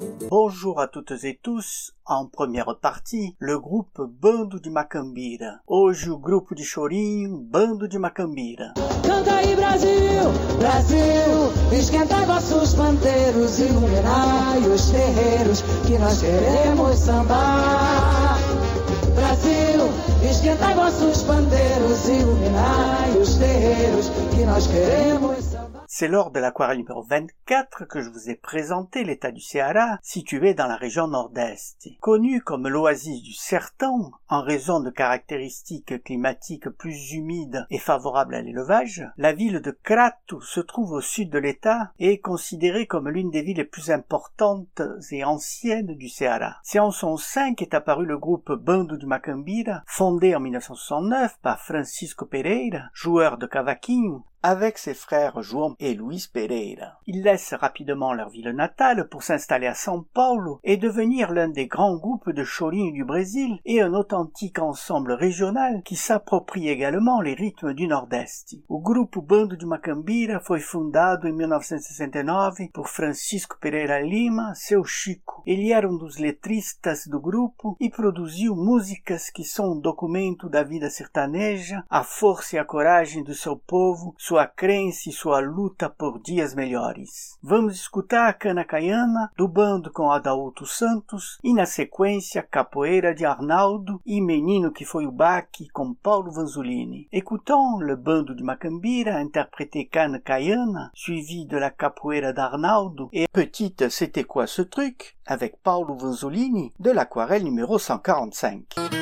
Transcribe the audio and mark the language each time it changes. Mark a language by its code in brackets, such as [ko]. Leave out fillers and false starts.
[fr] Bonjour à toutes et tous. En première partie, le groupe Bando de Macambira. [pt] Hoje, o grupo de chorinho, Bando de Macambira. Canta aí, Brasil, Brasil, esquenta vossos panteiros, iluminai os terreiros, que nós queremos sambar. Brasil, esquenta vossos panteiros, iluminai os terreiros, que nós queremos sambar. [fr] C'est lors de l'aquarelle numéro 24 que je vous ai présenté l'état du Ceará, situé dans la région nord-est. Connu comme l'oasis du sertan, en raison de caractéristiques climatiques plus humides et favorables à l'élevage, la ville de Crato se trouve au sud de l'état et est considérée comme l'une des villes les plus importantes et anciennes du Ceará. C'est en son sein qu'est apparu le groupe Bando de Macambira, fondé en 1969 par Francisco Pereira, joueur de cavaquinho, avec ses frères João et Luiz Pereira. Ils laissent rapidement leur ville natale pour s'installer à São Paulo et devenir l'un des grands groupes de chorinho du Brésil et un authentique ensemble régional qui s'approprie également les rythmes du Nordeste. [pt] O grupo Bando de Macambira foi fundado em 1969 por Francisco Pereira Lima, seu Chico. Ele era um dos letristas do grupo e produziu músicas que são um documento da vida sertaneja, a força e a coragem do seu povo, sua crença e sua luta por dias melhores. Vamos escutar a Cana Caiana, do Bando com Adalto Santos, e na sequência, Capoeira de Arnaldo e Menino que Foi o Baque, com Paulo Vanzolini. [fr] Écoutons le Bando de Macambira, interpréter Cana Caiana, suivi de la Capoeira d'Arnaldo, et Petite C'était quoi ce truc, avec Paulo Vanzolini, de l'aquarelle numéro 145.